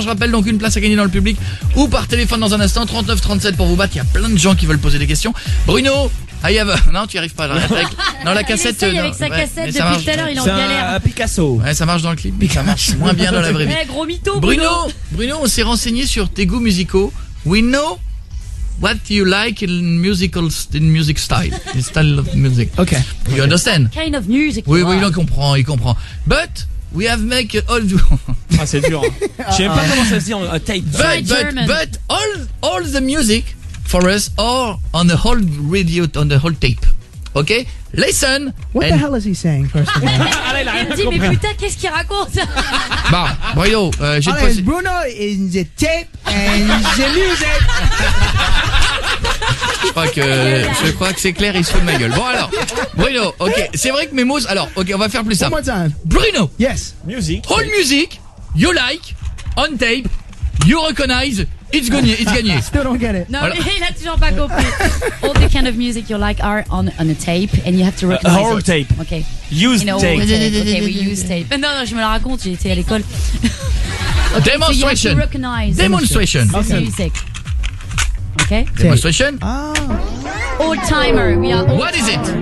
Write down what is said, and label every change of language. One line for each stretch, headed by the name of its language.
French: Je rappelle donc une place à gagner dans le public ou par téléphone dans un instant. 39 37 pour vous battre. Il y a plein de gens qui veulent poser des questions. Bruno! Ah, non, tu n'y arrives pas. Dans la cassette. Non, la cassette. Il essaye avec sa cassette depuis tout à l'heure, il est en galère. C'est un Picasso. Ouais, ça marche dans le clip, mais ça marche moins bien dans la vraie vie. Hey, gros mytho, Bruno. Bruno, on s'est renseigné sur tes goûts musicaux.
English: We know what you like in musicals, in music style. In style of music. Ok. You understand? What kind of music.
French: Oui, oui, il comprend, il comprend.
English: But. We have make all the.
French: Ah, c'est dur. Hein. Je sais pas comment ça se dit en tape.
English: But all the music. For us, or on the whole radio, on the whole tape. Okay? Listen! What the hell is he saying, first of all?
French: Il me dit, mais putain, qu'est-ce qu'il raconte? Bah, Bruno, j'ai
English: pas. Bruno in the tape and the music.
French: Je crois que c'est clair, il se fout de ma gueule. Bon, alors, Bruno, ok, c'est vrai que mes mots. Alors, ok, on va faire plus simple.
English: One more time. Bruno! Yes. Music. Whole music, you like, on tape, you recognize. It's gagné, it's gagné. Still don't get it.
French: Non, voilà. Mais il a toujours pas compris.
English: All the kind of music you like are on a tape and you have to recognize whole it. Tape. Okay. Use tape. Okay, we use tape.
French: Non, non, je me la raconte, j'étais à l'école.
English: Okay, demonstration. So you have to recognize demonstration. Okay. Demonstration. Ah. Old timer. We are old. What is it?